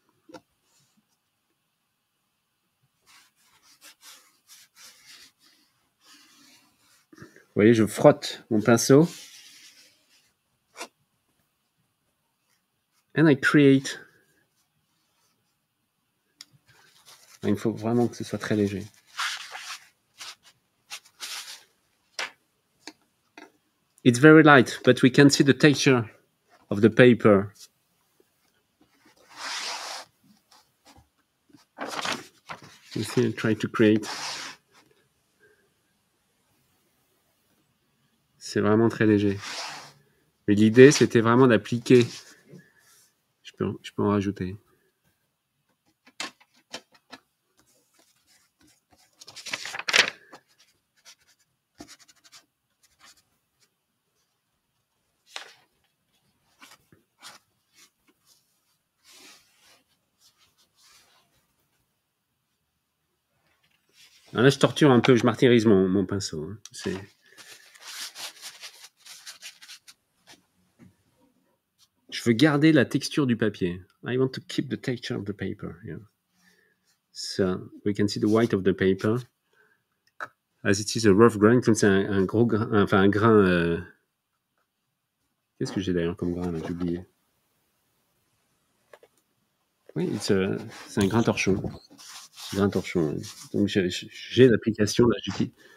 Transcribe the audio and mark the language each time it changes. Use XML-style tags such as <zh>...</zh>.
<fr>Vous voyez, je frotte mon pinceau.</fr> <en>And I create.</en> <fr>Il faut vraiment que ce soit très léger.</fr> <en>It's very light, but we can see the texture of the paper. You see, I try to create.</en> <fr>C'est vraiment très léger. Mais l'idée, c'était vraiment d'appliquer. Je peux en rajouter. Là, je torture un peu, je martyrise mon pinceau. C'est... Je veux garder la texture du papier.</fr> <en>I want to keep the texture of the paper. Yeah. So, we can see the white of the paper. As it is a rough grain,</en> <fr>comme c'est un gros grain, enfin un grain... Qu'est-ce que j'ai d'ailleurs comme grain là, j'ai oublié. Oui, c'est un grain torchon. Grain torchon. Donc j'ai l'application là. J'ai dit,</fr>